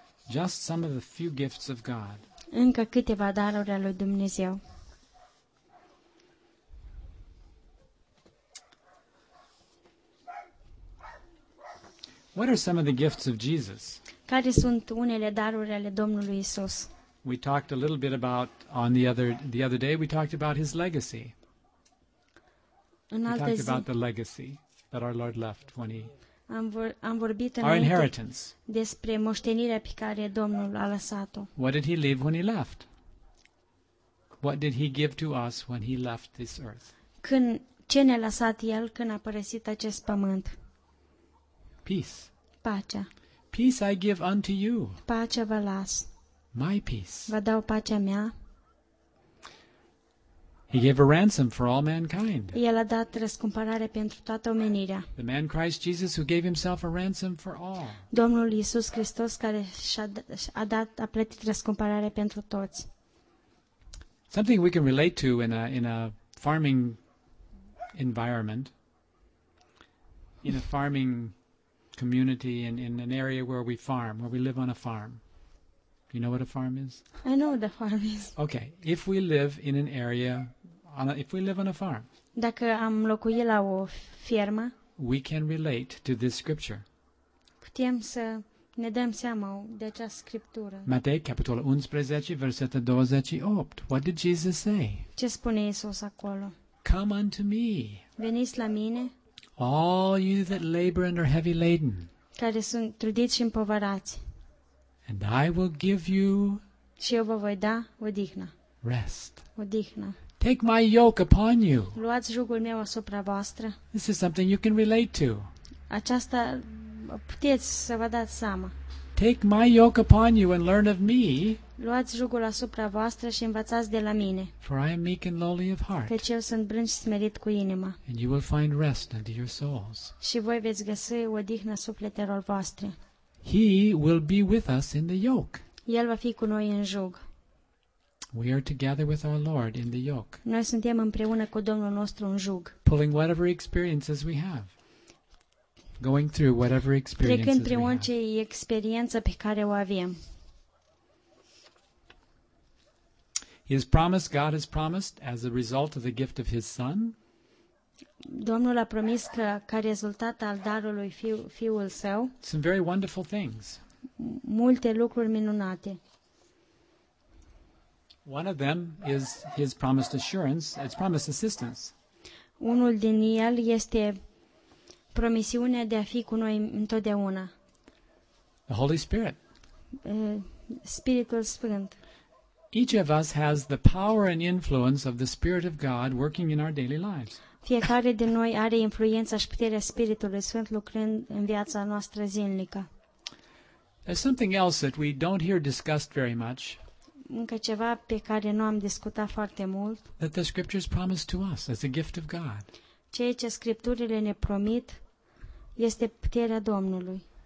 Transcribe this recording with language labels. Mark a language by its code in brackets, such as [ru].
[en] Just some of the few gifts of God. [ro] Încă câteva daruri ale lui Dumnezeu. [en] What are some of the gifts of Jesus? [ro] Care sunt unele daruri ale Domnului Isus? [en] We talked a little bit about on the other day we talked about his legacy. [ro] În altă [en] zi. We talked [ro] zi, [en] about the legacy that our Lord left when he. [ro] Am vorbit [en] our inheritance. [ro] Despre moștenirea pe care Domnul a lăsat-o. [en] What did he leave when he left? What did he give to us when he left this earth? [ro] Când ce ne-a lăsat el când a părăsit acest pământ? [en] Peace. [ro] Pacea. [en] Peace I give unto you. [ro] Pacea vă las. [en] My peace. [ro] Vă dau pacea mea. [en] He gave a ransom for all mankind. [ro] El a dat răscumpărare pentru toată omenirea. [en] The man Christ Jesus who gave himself a ransom for all. [ro] Domnul Iisus Hristos care a plătit răscumpărare pentru toți. [en] Something we can relate to in a farming environment. In a farming community in an area where we farm, where we live on a farm. You know what a farm is? I know what a farm is. Okay, if we live in an area if we live on a farm. [ro] Dacă am locuit la o fermă. [en] We can relate to this scripture. [ro] Putem să ne dăm seama de acea scriptură. Matei capitolul 11 versetul 28. [en] What did Jesus say? [ro] Ce spune Iisus acolo? [en] Come unto me. [ro] Veniți la mine. [en] All you that labor and are heavy laden. [ro] Care sunt trudiți și împovărați. [en] And I will give you. [ro] Și eu vă voi da odihnă. [en] Rest. [ro] Odihnă. [en] Take my yoke upon you. [ro] Luați jugul meu asupra voastră. [en] This is something you can relate to. [ro] Aceasta puteți să vă dați seama. [en] Take my yoke upon you and learn of me. [ro] Luați jugul asupra voastră și învățați de la mine. [en] For I am meek and lowly of heart. [ro] Căci eu sunt blând și smerit cu inima. [en] And you will find rest unto your souls. [ro] Și voi veți găsi odihnă sufletelor voastre. [en] He will be with us in the yoke. [ro] El va fi cu noi în jug. [en] We are together with our Lord in the yoke. [ro] Noi suntem împreună cu Domnul nostru în jug. [en] Pulling whatever experiences we have. Going through whatever experiences we have. [ro] Trecând prin orice experiență pe care o avem. [en] His promise, God has promised as a result of the gift of his son. [ro] Domnul a promis că ca rezultat al darului fiul său. [en] Some very wonderful things. [ro] Multe lucruri minunate. [en] One of them is his promised assurance, his promised assistance. [ro] Unul din el este promisiunea de a fi cu noi întotdeauna. [en] The Holy Spirit. [ro] Spiritul Sfânt. [en] Each of us has the power and influence of the Spirit of God working in our daily lives. [ro] Fiecare din noi are influența și puterea Spiritului Sfânt lucrând în viața noastră zilnică. [en] There's something else that we don't hear discussed very much. [ro] Încă ceva pe care nu am discutat foarte mult. [en] That the scriptures promise to us as a gift of God. [ro] Ceea ce scripturile ne promit este puterea Domnului.